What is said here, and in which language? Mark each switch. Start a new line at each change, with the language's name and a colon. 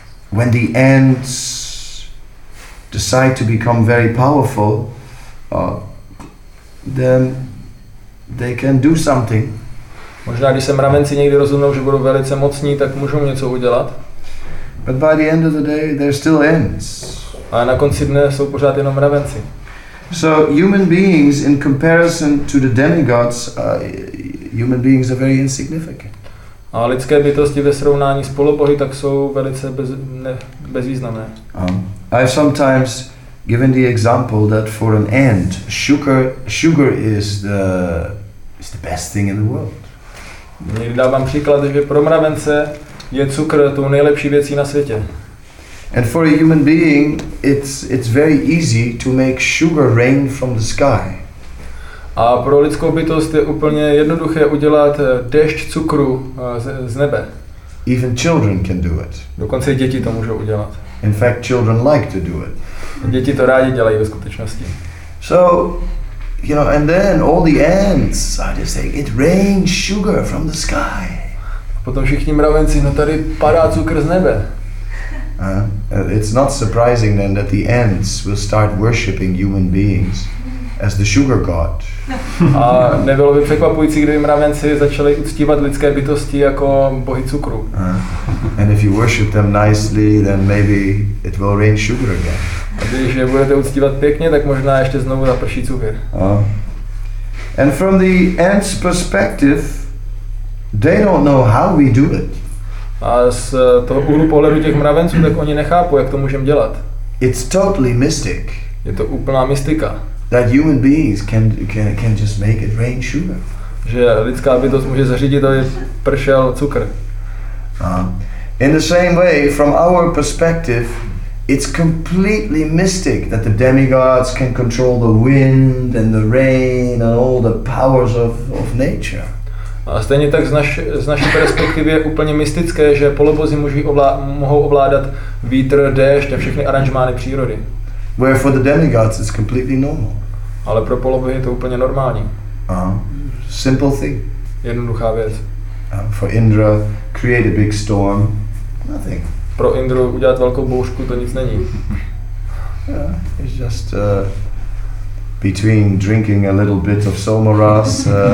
English: When the ants decide to become very powerful, then they can do something.
Czech: Možná když se mravenci někdy rozhodnou, že budou velice mocní, tak můžou něco udělat.
English: But by the end of the day, they're still ants.
Czech: A na konci dne jsou pořád jenom mravenci.
English: So human beings, in comparison to the demigods, human beings are very insignificant.
Czech: A lidské bytosti ve srovnání s polobohy tak jsou velice bezvýznamné.
English: I sometimes given the example that for an ant, sugar is the best thing in the world.
Czech: Někdy dávám příklad, že pro mravence je cukr tou nejlepší věcí na světě.
English: And for a human being, it's very easy to make sugar rain from the sky.
Czech: A pro lidskou bytost je úplně jednoduché udělat déšť cukru z nebe.
English: Even children can do it.
Czech: Dokonce děti to můžou udělat.
English: In fact, children like to do it.
Czech: Děti to rádi dělají ve skutečnosti.
English: So, you know, and then all the ants are just saying, it rains sugar from the sky.
Czech: A potom všichni mravenci, no tady padá cukr z nebe.
English: It's not surprising then that the ants will start worshipping human beings as the sugar god.
Czech: A nebylo by překvapující, kdyby mravenci začali uctívat lidské bytosti jako bohy cukru.
English: And if you worship them nicely, then maybe it will rain sugar again.
Czech: A když je budete uctívat pěkně, tak možná ještě znovu zaprší cukr.
English: And from the ants' perspective, they don't know how we do it.
Czech: A z toho úhlu pohledu těch mravenců, tak oni nechápou, jak to můžeme dělat.
English: It's totally mystic.
Czech: Je to úplná mystika.
English: That human beings can just make it rain sugar.
Czech: Že lidská bytost může zařídit, aby pršel cukr.
English: In the same way, from our perspective, it's completely mystic that the demigods can control the wind and the rain and all the powers of nature.
Czech: A stejně tak z naší perspektivy je úplně mystické, že polobozy mohou ovládat vítr, déšť a všechny aranžmány přírody.
English: Where for the demigods it's completely normal.
Czech: Ale pro polobohy je to úplně normální.
English: Simple thing.
Czech: Jednoduchá věc.
English: For Indra, create a big storm, nothing.
Czech: Pro Indru udělat velkou bouřku, to nic není.
English: Yeah, it's just between drinking a little bit of somaras,